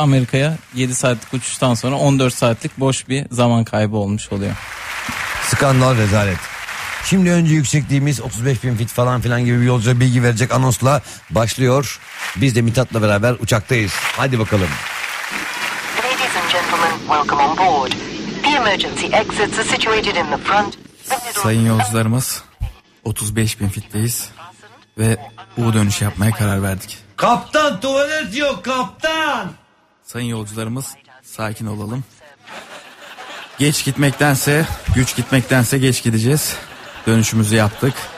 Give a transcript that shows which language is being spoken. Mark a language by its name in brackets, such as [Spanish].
[Turkish] Amerika'ya 7 saatlik uçuştan sonra 14 saatlik boş bir zaman kaybı olmuş oluyor. Skandal, rezalet. Şimdi önce yüksekliğimiz 35 bin fit falan filan gibi bir yolcuya bilgi verecek anonsla başlıyor. Biz de Mithat'la beraber uçaktayız. Hadi bakalım. [English] Ladies and gentlemen, welcome on board. The emergency exits are situated in the front. [Turkish] Sayın yolcularımız, 35 bin fitteyiz ve U dönüşü yapmaya karar verdik. Kaptan, tuvalet yok kaptan. Sayın yolcularımız, sakin olalım. Geç gitmektense, güç gitmektense geç gideceğiz. Dönüşümüzü yaptık.